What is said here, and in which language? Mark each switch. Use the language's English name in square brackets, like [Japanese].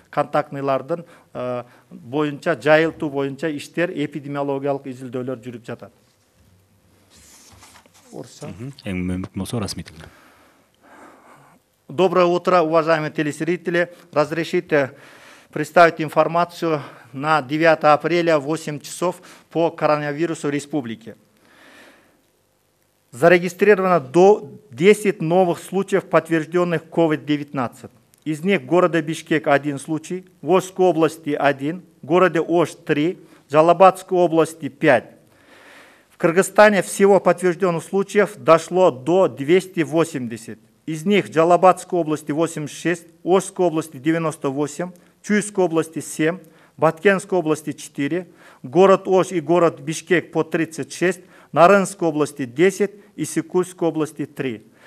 [Kyrgyz] Контактныйлардын боюнча жайылтуу боюнча иштер, эпидемиологиялык изилдөөлөр жүрүп жатат. Эң мүмкүн болсо расмий тилде. [Russian] Доброе утро, уважаемые телезрители. Разрешите представить информацию на 9 апреля в 8 часов по коронавирусу республики. Зарегистрировано до 10 новых случаев, подтвержденных COVID-19. Из них города Бишкек 1 случай, в Ошской области 1, в городе Ош 3, в Жалал-Абадской области 5. В Кыргызстане всего подтвержденных случаев дошло до 280. Из них Жалал-Абадской области 86, Ошской области 98, Чуйской области 7, Баткенской области 4, город Ош и город Бишкек по 36, Нарынской области 10 и Сикульской области 3.